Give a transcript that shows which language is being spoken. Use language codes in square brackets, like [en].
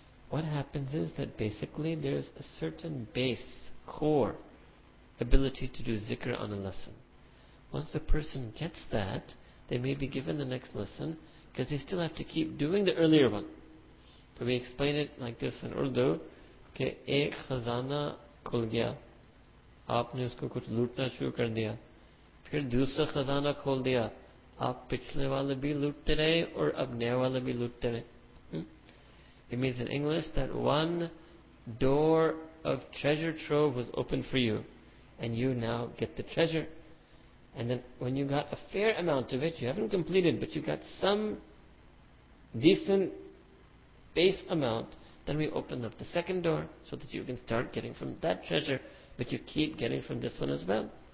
[en] What happens is that basically there's a certain base, core ability to do zikr on a lesson. Once a person gets that, they may be given the next lesson because they still have to keep doing the earlier one. So we explain it like this in Urdu. [ur] Okay, ایک خزانہ کھل گیا۔ آپ نے اس کو کچھ لوٹنا شروع کر دیا۔ پھر دوسرا خزانہ کھول دیا۔ آپ پچھلے والے بھی لوٹتے رہے اور اب نئے والے بھی لوٹتے رہے۔ [en] It means in English that one door of treasure trove was opened for you and you now get the treasure. And then when you got a fair amount of it, you haven't completed, but you got some decent base amount, then we open up the second door so that you can start getting from that treasure, but you keep getting from this one as well.